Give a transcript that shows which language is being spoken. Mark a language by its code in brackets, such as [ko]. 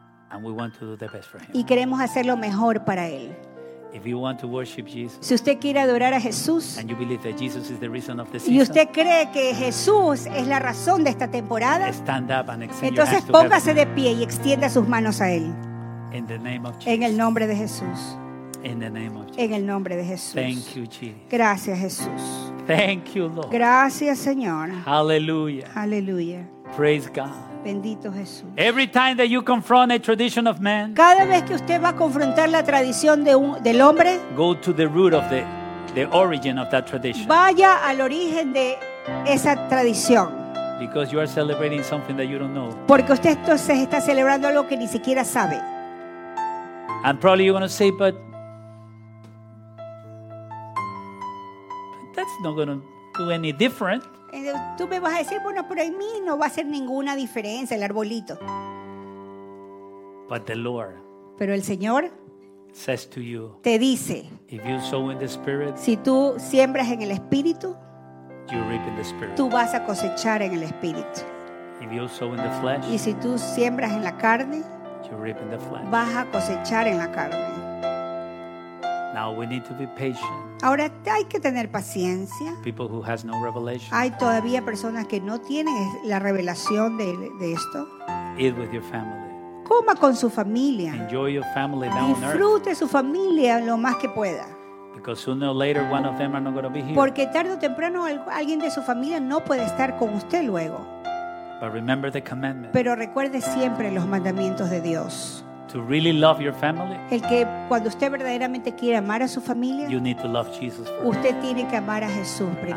[en] And we want to do the best for him. [es] Y queremos hacer lo mejor para él. [en] If you want to worship Jesus, [es] si usted quiere adorar a Jesús, [en] and you believe that Jesus is the reason of the season, [es] y usted cree que Jesús es la razón de esta temporada, [en] stand up and extend [es] entonces [en] your hands [es] póngase [en] to heaven. [es] De pie y extienda sus manos a él. [en] In the name of Jesus. [es] En el nombre de Jesús. [en] In the name of Jesus. [es] En el nombre de Jesús. [en] Thank you, Jesus. [es] Gracias, Jesús. [en] Thank you, Lord. [es] Gracias, Señor. Hallelujah. Hallelujah. [en] Praise God. [es] Bendito Jesús. [en] Every time that you confront a tradition of man, [es] cada vez que usted va a confrontar la tradición del hombre, [en] go to the root of the origin of that tradition. [es] Vaya al origen de esa tradición. [en] Because you are celebrating something that you don't know. [es] Porque usted entonces está celebrando algo que ni siquiera sabe. [en] And probably you're going to say, but that's not going to do any different. [es] Tú me vas a decir, bueno, pero en mí no va a hacer ninguna diferencia el arbolito. [en] But the Lord. [es] Pero el Señor [en] says to you. [es] Te dice. [en] If you sow in the spirit. [es] Si tú siembras en el espíritu. [en] You reap in the spirit. [es] Tú vas a cosechar en el espíritu. [en] If you sow in the flesh. [es] Y si tú siembras en la carne. [en] You reap in the flesh. [es] Vas a cosechar en la carne. [en] Now we need to be patient. [es] Ahora hay que tener paciencia. [en] People who has no revelation. [es] Hay todavía personas que no tienen la revelación de esto. [en] Eat with your family. [es] Coma con su familia. [en] Enjoy your family down. [es] Disfrute su familia lo más que pueda. [en] Because sooner or later one of them are not going to be here. [es] Porque tarde o temprano alguien de su familia no puede estar con usted luego. [en] But remember the commandment. [es] Pero recuerde siempre los mandamientos de Dios. [en] To really love your family. [es] El que cuando usted verdaderamente quiere amar a su familia. [en] You need to love Jesus first. [es] Usted tiene que amar a Jesús primero.